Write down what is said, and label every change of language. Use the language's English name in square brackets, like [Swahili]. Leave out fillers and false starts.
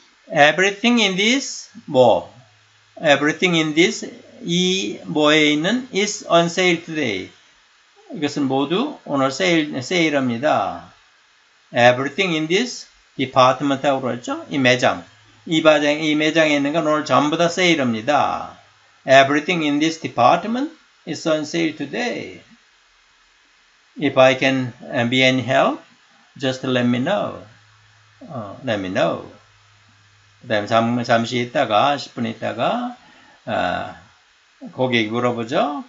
[English] Everything in this 뭐 Everything in this [Korean] 이 뭐에 있는 [English] is on sale today. [Korean] 이것은 모두 오늘 세일합니다. [English] Everything in this department라고 [Korean] 그러죠. 이 매장에 있는 건 오늘 전부 다 세일합니다. [English] Everything in this department is on sale today. If I can be any help, just let me know. Let me know. [Korean] 그다음 잠시 있다가 10분 있다가 고객이 물어보죠.